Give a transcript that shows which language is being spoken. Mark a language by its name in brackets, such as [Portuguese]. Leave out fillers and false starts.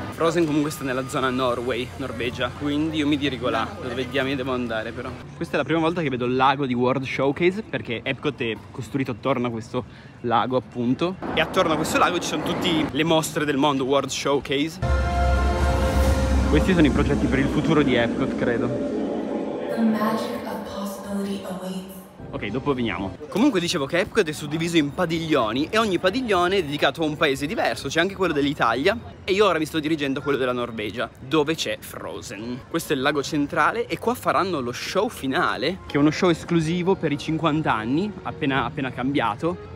[Italian] Frozen comunque sta nella zona Norway, Norvegia, quindi io mi dirigo là, dove diamine devo andare però. Questa è la prima volta che vedo il lago di World Showcase, perché Epcot è costruito attorno a questo lago appunto. E attorno a questo lago ci sono tutte le mostre del mondo World Showcase. Questi sono i progetti per il futuro di Epcot, credo. [English] The magic of possibility awaits. [Italian] Ok, dopo veniamo. Comunque dicevo che Epcot è suddiviso in padiglioni e ogni padiglione è dedicato a un paese diverso. C'è anche quello dell'Italia e io ora mi sto dirigendo a quello della Norvegia, dove c'è Frozen. Questo è il lago centrale e qua faranno lo show finale, che è uno show esclusivo per i 50 anni, appena cambiato.